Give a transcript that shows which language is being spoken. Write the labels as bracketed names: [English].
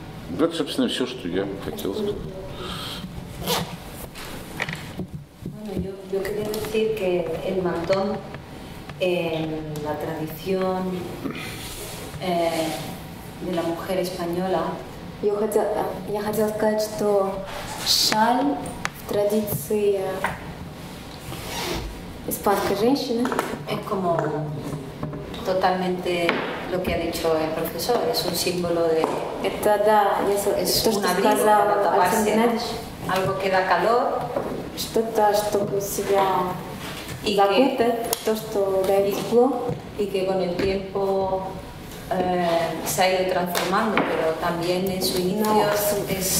[Russian] Вот, собственно, все, что я хотел сказать. [Spanish] Yo quería decir que el mantón en la tradición de la mujer española [Russian] Я хотела сказать, что шаль в традиции испанской женщины. [Spanish] Es como totalmente lo que ha dicho el profesor, es un símbolo de. [Russian] Это да, то, что сказал Александр Геннадьевич. [Spanish] Algo que da calor. [Russian] Что-то, чтобы себя закутать, то, что дает тепло. [Spanish] И que con el tiempo se ha ido transformando, pero también en su inicio es